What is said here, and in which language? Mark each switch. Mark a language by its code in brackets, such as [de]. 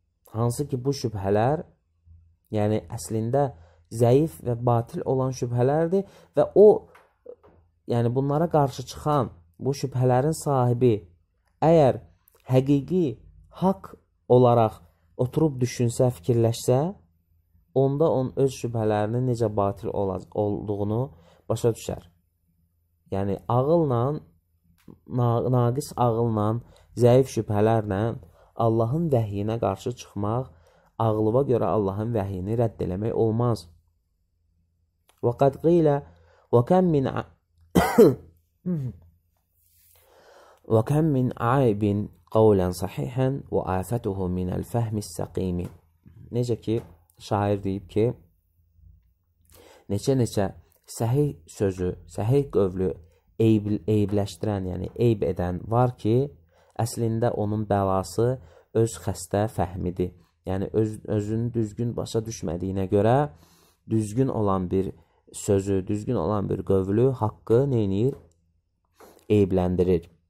[az] Hansı ki, bu şübhələr, yəni əslində zəif və batil olan şübhələrdir və o, yəni bunlara qarşı çıxan bu şübhələrin sahibi əgər həqiqi haqq olaraq oturub düşünsə, fikirləşsə, onda on öz şübhələrinin necə batil olduğunu başa düşər. Yəni, ağılla, naqis ağılla, zəif şübhələrlə Allahın vəhiyinə qarşı çıxmaq, ağlıva görə Allahın vəhiyini rədd eləmək olmaz. [ar] Və qəd qilə, və kəm min وكم من عيب قولا صحيحا وآفته من الفهم السقيم. [az] Necə ki şair deyib ki, neçə-neçə səhih sözü, səhih qövlü eybləşdirən, yəni eyb edən var ki, əslində onun bəlası öz xəstə fəhmidir. Yəni özünü düzgün başa düşmədiyinə görə düzgün olan bir sözü, düzgün olan bir qövlü haqqı nəyir? Eybləndirir.